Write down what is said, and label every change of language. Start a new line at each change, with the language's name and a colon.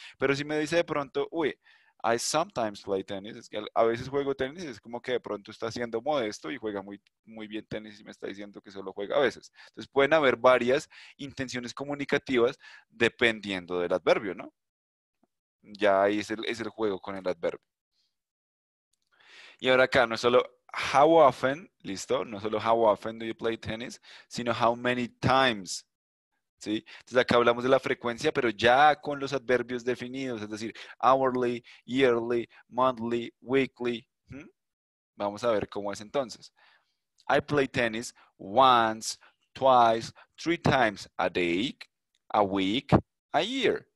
Spanish: Pero si me dice de pronto, uy,
English: I sometimes play tennis,
Spanish: es que a veces juego tenis, es como que de pronto está siendo modesto y juega muy, muy bien tenis y me está diciendo que solo juega a veces. Entonces pueden haber varias intenciones comunicativas dependiendo del adverbio, ¿no? Ya ahí es el juego con el adverbio. Y ahora acá, no solo
English: how often,
Spanish: listo, no solo
English: how often do you play tennis,
Spanish: sino
English: how many times.
Spanish: ¿Sí? Entonces acá hablamos de la frecuencia, pero ya con los adverbios definidos, es decir, hourly, yearly, monthly, weekly. Vamos a ver cómo es entonces.
English: I play tennis once, twice, three times a day, a week, a year.